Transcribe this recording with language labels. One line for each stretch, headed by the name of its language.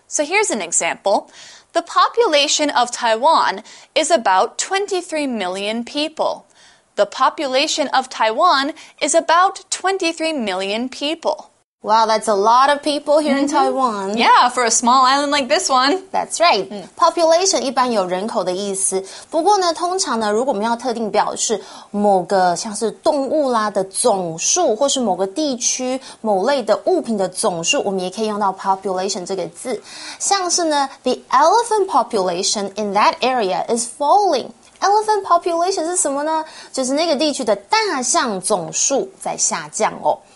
English: So here's an example. The population of Taiwan is about 23 million people. The population of Taiwan is about 23 million people. Wow, that's a lot of people here、mm-hmm. in Taiwan. Yeah, for a small island like this one. That's right.、
Chinese: Mm. Population 一般有人口的意思。不过呢，通常呢，如果我们要特定表示某个像是动物啦的总数，或是某个地区某类的物品的总数，我们也可以用到 population 这个字。像是呢
English: ，the elephant population in that area is falling.
Chinese: Elephant population 是什么呢？就是那个地区的大象总数在下降哦。